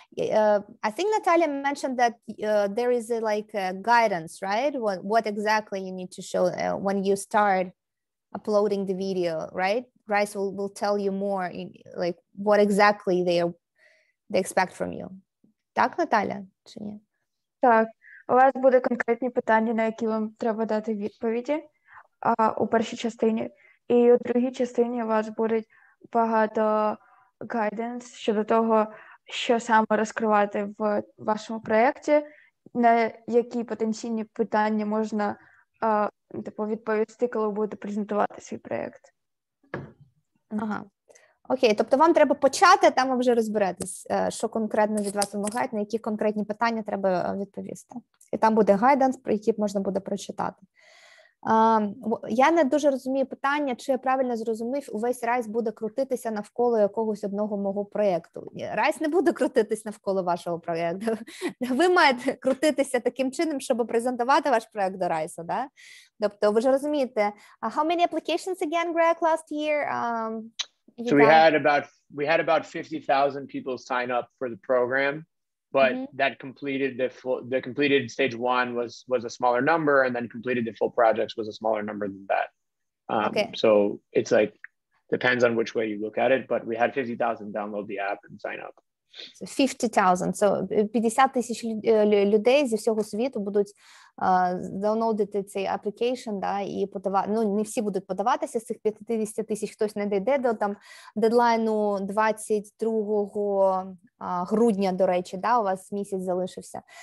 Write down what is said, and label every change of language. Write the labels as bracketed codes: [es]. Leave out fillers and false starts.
[en] I think Nataliia mentioned that there is a, like a guidance, right? What exactly you need to show when you start uploading the video, right? RISE will tell you more, like what exactly they expect from you. [uk] Так, Nataliia, чи ні? Так. У вас буде конкретні питання, на які вам треба дати відповіді у першій частині. І у другій частині у вас буде багато guidance щодо того, що саме розкривати в вашому проєкті, на які потенційні питання можна типу відповісти, коли ви будете презентувати свій проєкт. Ага. Окей, тобто вам треба почати, а там ви вже розберетесь, що конкретно від вас вимагають, на які конкретні питання треба відповісти. І там буде гайданс, про який можна буде прочитати. Я не дуже розумію питання, чи я правильно зрозумів, увесь райс буде крутитися навколо якогось одного мого проєкту. Райс не буде крутитись навколо вашого проєкту. Ви маєте крутитися таким чином, щоб презентувати ваш проєкт до райсу, да? Тобто ви ж розумієте. [en] How many applications again, Greg, last year? So we had about 50,000 people sign up for the program, but mm-hmm. that completed the completed stage one was a smaller number, and then completed the full projects was a smaller number than that. Okay. So it's like depends on which way you look at it, but we had 50,000 download the app and sign up. 50,000. [uk] So 50,000 людей зі всього світу будуть даунлодити цей аплікейшн, да, і подавати. Ну, не всі будуть подаватися з цих 50,000, хтось не дійде до там дедлайну 22 грудня, до речі, да, у вас місяць залишився.